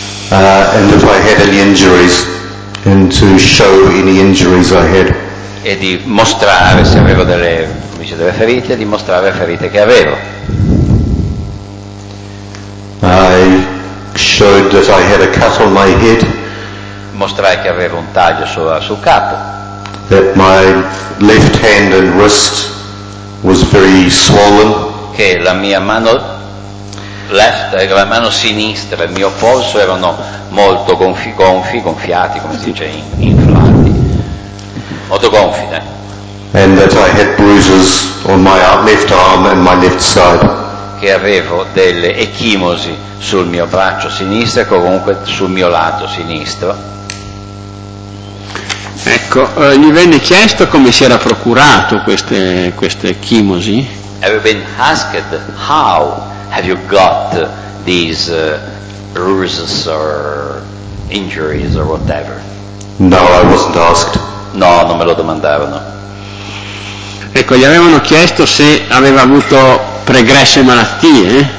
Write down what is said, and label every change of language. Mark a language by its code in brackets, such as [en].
[en] and if I had any injuries, and to show any injuries I had, [it] e di mostrare se avevo delle ferite, di mostrare le ferite che avevo. [en] I showed that I had a cut on my head. [it] Mostrai che avevo un taglio sul capo. [en] That my left hand and wrist was very swollen. [it] Che la mia mano left, la mano sinistra, il mio polso erano molto gonfiati, come si dice, inflati. Molto gonfi, [en] And that I had bruises on my left arm and my left side. [it] Che avevo delle ecchimosi sul mio braccio sinistro e comunque sul mio lato sinistro. Ecco, gli venne chiesto come si era procurato queste chimosi. [en] Have you been asked how have you got these bruises or injuries or whatever? No, I wasn't asked. [it] No, non me lo domandavano. Ecco, gli avevano chiesto se aveva avuto pregresse malattie.